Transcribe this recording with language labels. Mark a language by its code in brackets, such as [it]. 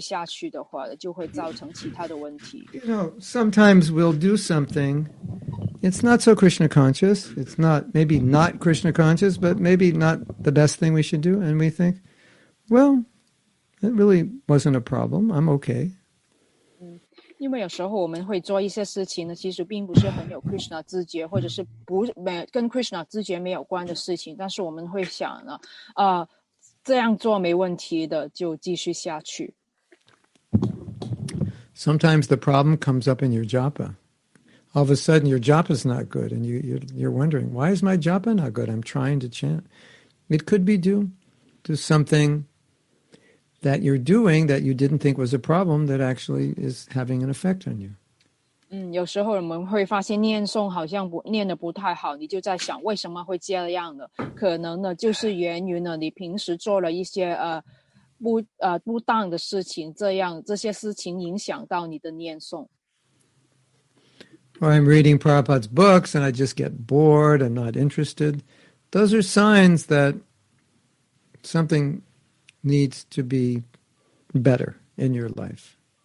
[zh] 因为比如说玛雅去让你分心的话呢，你察觉到的话，你就可以马上改正过来。但是如果你没有察觉到玛雅让你分心，你继续下去的话，就会造成其他的问题。 [en] You know, sometimes we'll do something. It's not so Krishna conscious. It's not maybe not Krishna conscious, but maybe not the best thing we should do. And we think, well, it really wasn't a problem. I'm okay. [zh] 因为有时候我们会做一些事情呢，其实并不是很有 Krishna 自觉，或者是不跟 Krishna 自觉没有关的事情，但是我们会想呢，这样做没问题的，就继续下去。 [en] Sometimes the problem comes up in your japa. All of a sudden, your japa is not good, and you're wondering, why is my japa not good? I'm trying to chant. It could be due to something that you're doing that you didn't think was a problem that actually is having an effect on you. [zh] 有时候我们会发现念诵好像念得不太好，你就在想为什么会这样呢？可能呢，就是源于呢你平时做了一些不当的事情，这样这些事情影响到你的念诵。 [en] Or I'm reading Prabhupada's books and I just get bored and not interested. Those are signs that something needs to be better in your life.